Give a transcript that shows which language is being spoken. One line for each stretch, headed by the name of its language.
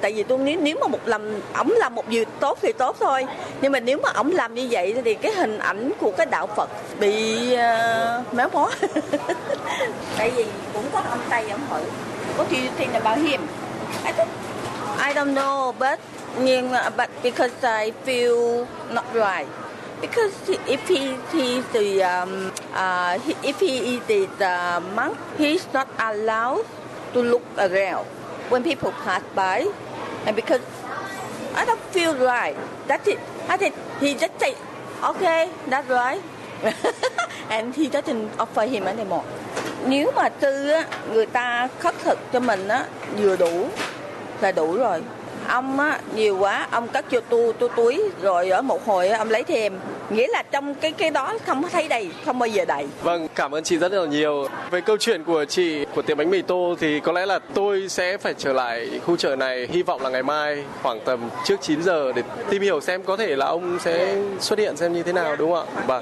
Vietnamese: Tại vì tôi nếu mà một lần ổng làm một việc tốt thì tốt thôi, nhưng mà nếu mà ổng làm như vậy thì cái hình ảnh của cái đạo Phật bị méo mó. Tại vì cũng có ông tây ổng hỏi có chuyện gì là bảo hiểm,
English: I don't know but because I feel not right. Because if he is the monk, he's not allowed to look around when people pass by, and because I don't feel right, that's it. He just say, okay, that's right, and he doesn't offer him anymore.
Vietnamese: Nếu mà tư á, người ta khất thực cho mình á, vừa đủ là đủ rồi. Ông á, nhiều quá, ông cất cho tôi túi, rồi ở một hồi ông lấy thêm. Nghĩa là trong cái đó không thấy đầy, không bao giờ đầy. Vâng, cảm ơn chị rất là nhiều. Về câu chuyện của chị, của tiệm bánh mì Tô, thì có lẽ là tôi sẽ phải trở lại khu chợ này, hy vọng là ngày mai khoảng tầm trước 9 giờ để tìm hiểu xem có thể là ông sẽ xuất hiện xem như thế nào, đúng không ạ?